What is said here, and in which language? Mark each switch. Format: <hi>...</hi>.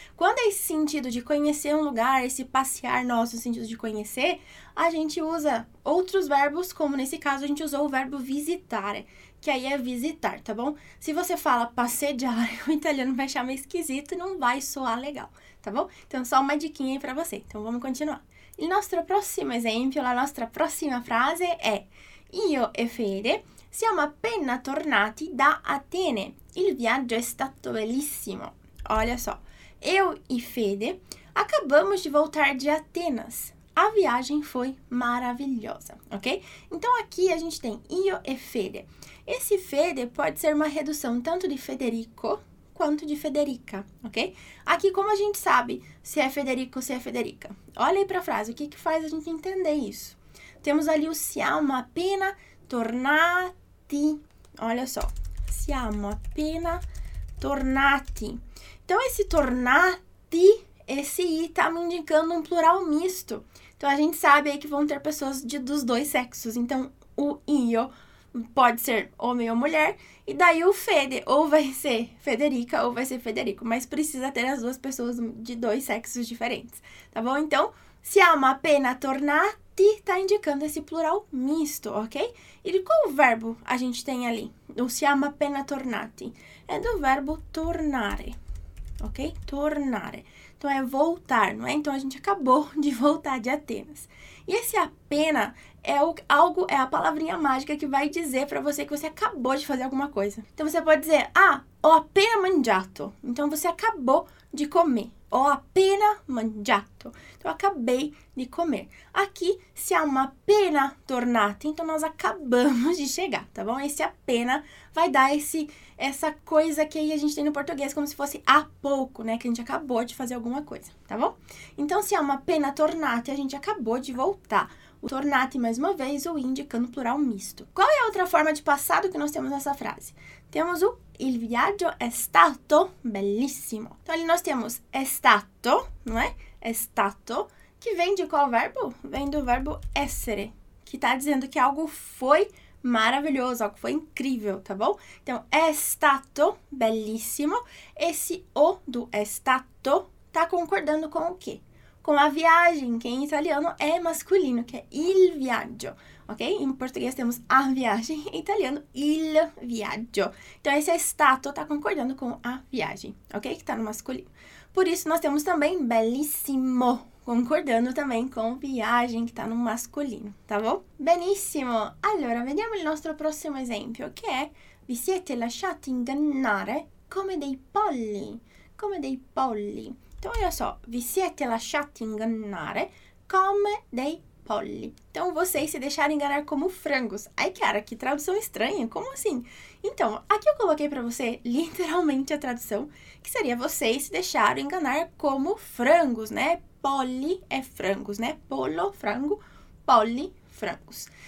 <pt>Quando é esse sentido de conhecer um lugar, esse passear nosso sentido de conhecer, a gente usa outros verbos, como nesse caso a gente usou o verbo visitare, que aí é visitar, tá bom? Se você fala passeggiare, o italiano vai achar meio esquisito e não vai soar legal, tá bom? Então, só uma diquinha aí pra você. Então, vamos continuar.</pt> <it>Il nostro prossimo esempio, la nostra prossima frase è: Io e Fede siamo appena tornati da Atene. Il viaggio è stato bellissimo.</it> <pt>Olha só. Eu e Fede acabamos de voltar de Atenas. A viagem foi maravilhosa, ok? Então aqui a gente tem io e Fede. Esse Fede pode ser uma redução tanto de Federico quanto de Federica, ok? Aqui como a gente sabe se é Federico ou se é Federica? Olha aí para a frase, o que que faz a gente entender isso? Temos ali o</pt> <it>siamo appena tornati.</it> <pt>Olha só,</pt> <it>siamo appena tornati.</it> <pt>Então esse tornati, esse i tá me indicando um plural misto. Então, a gente sabe aí que vão ter pessoas dos dois sexos. Então, o io pode ser homem ou mulher. E daí o Fede, ou vai ser Federica ou vai ser Federico. Mas precisa ter as duas pessoas de dois sexos diferentes. Tá bom? Então,</pt> <it>siamo appena tornati,</it> <pt>tá indicando esse plural misto, ok? E qual verbo a gente tem ali? O</pt> <it>siamo appena tornati?</it> <pt>É do verbo tornare, ok? Tornare. certo é voltar, não é? Então, a gente acabou de voltar de Atenas. E esse apenas é a palavrinha mágica que vai dizer para você que você acabou de fazer alguma coisa. Então, você pode dizer, ah,</pt> <it>ho appena mangiato.</it> <pt>Então, você acabou de comer.</pt> <it>Ho appena mangiato.</it> <pt>Então, acabei de comer.</pt> <it>Aqui, siamo appena tornati.</it> <pt>Então, nós acabamos de chegar, tá bom? Esse appena vai dar essa coisa que aí a gente tem no português como se fosse há pouco, né? Que a gente acabou de fazer alguma coisa, tá bom? Então,</pt> <it>siamo appena tornati,</it> <pt>a gente acabou de voltar. O tornati, mais uma vez, o indicando plural misto. Qual é a outra forma de passado que nós temos nessa frase? Temos o</pt> <it>Il viaggio è stato bellissimo.</it> <pt>Então, ali nós temos è stato, não é?</pt> <it>È stato,</it> <pt>que vem de qual verbo? Vem do verbo essere, que está dizendo que algo foi maravilhoso, algo foi incrível, tá bom?</pt> <it>Então, è stato bellissimo.</it> <pt>Esse o do è stato está concordando com o quê? Com a viagem, que em italiano é masculino, que é</pt> <it>il viaggio.</it> <pt>Ok? Em português temos a viagem, em italiano</pt> <it>il viaggio.</it> <pt>Então esse stato está concordando com a viagem, ok? Que está no masculino. Por isso nós temos também bellissimo, concordando também com viagem, que está no masculino, tá bom?</pt> <it>Benissimo! Allora, vediamo il nostro prossimo esempio, che è vi siete lasciati ingannare come dei polli. Come dei polli.</it> <pt>Então olha só,</pt> <it>vi siete lasciati ingannare come dei polli. Polly.</it> <pt>Então, vocês se deixaram enganar como frangos. Ai, cara, que tradução estranha. Como assim? Então, aqui eu coloquei para você literalmente a tradução, que seria vocês se deixaram enganar como frangos, né? Polly é frangos, né? Polo, frango. Polly, frangos.</pt>